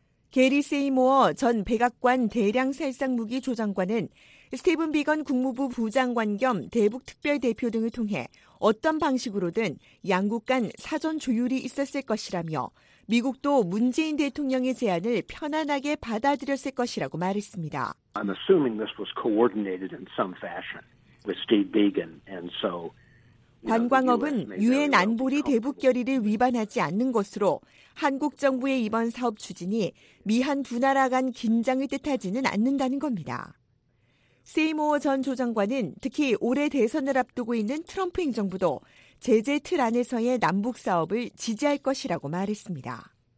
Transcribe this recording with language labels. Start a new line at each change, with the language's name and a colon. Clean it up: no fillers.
Korean: 게리 세이모어 전 백악관 대량 살상무기 조정관은 스티븐 비건 국무부 부장관 겸 대북특별대표 등을 통해 어떤 방식으로든 양국 간 사전 조율이 있었을 것이라며 미국도 문재인 대통령의 제안을 편안하게 받아들였을 것이라고 말했습니다.
English: I'm assuming this was coordinated in some fashion with Steve Biegun and so
Korean: 관광업은 유엔 안보리 대북 결의를 위반하지 않는 것으로 한국 정부의 이번 사업 추진이 미한 두 나라 간 긴장을 뜻하지는 않는다는 겁니다. 세이모어 전 조정관은 특히 올해 대선을 앞두고 있는 트럼프 행정부도 제재 틀 안에서의 남북 사업을 지지할 것이라고 말했습니다.